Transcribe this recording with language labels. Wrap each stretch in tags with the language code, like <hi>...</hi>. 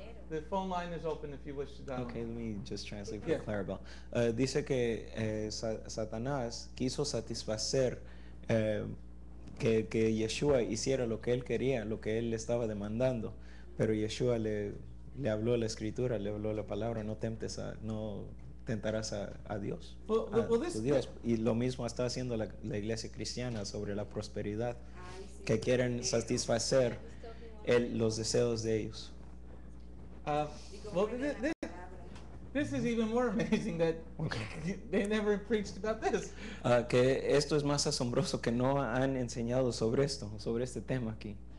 <en>The phone line is open if you wish to dial. Okay, let me just translate for Clarabel.</en> <es>Dice que Satanás quiso satisfacer que Yeshua hiciera lo que él quería, lo que él le estaba demandando, pero Yeshua le habló la escritura, le habló la palabra, no tentarás a Dios, Dios. Y lo mismo está haciendo la iglesia cristiana sobre la prosperidad, que quieren satisfacer los deseos de ellos.</es> <en>This is even more amazing that they never preached about this.</en> <es>Que esto es más asombroso, que no han enseñado sobre esto, sobre este tema aquí.</es>